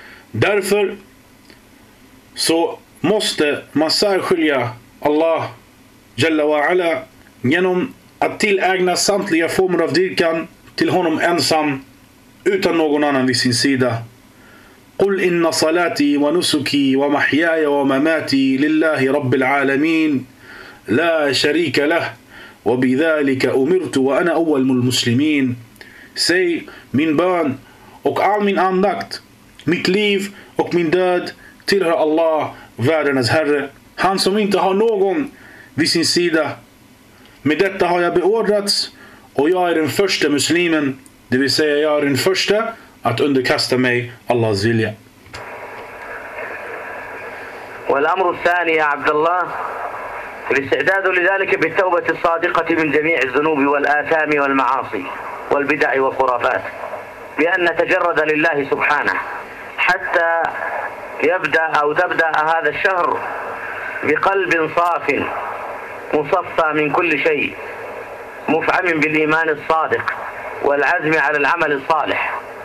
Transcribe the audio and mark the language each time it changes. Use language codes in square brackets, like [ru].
[sv] Därför så måste man särskilja Allah Jalla wa Ala genom att tillägna samtliga former av dyrkan till honom ensam utan någon annan vid sin sida. [ar] قل إن صلاتي ونسكي ومحياي ومماتي لله رب العالمين لا شريك له وبذلك أمرت وأنا أول من المسلمين. [sv] Säg, min bön och all min andakt, mitt liv och min död tillhör Allah, världens herre, han som inte har någon vid sin sida. Med detta har jag beordrats och jag är den första muslimen, det vill säga jag är den första att underkasta mig Allahs vilja. [ar] والامر الثاني يا عبد الله الاستعداد لذلك بالتوبة الصادقة من جميع الذنوب والآثام والمعاصي والبدع والخرافات بأن نتجرد لله سبحانه حتى يبدأ أو تبدأ هذا الشهر بقلب صاف مصفى من كل شيء مفعم بالإيمان الصادق والعزم على العمل الصالح.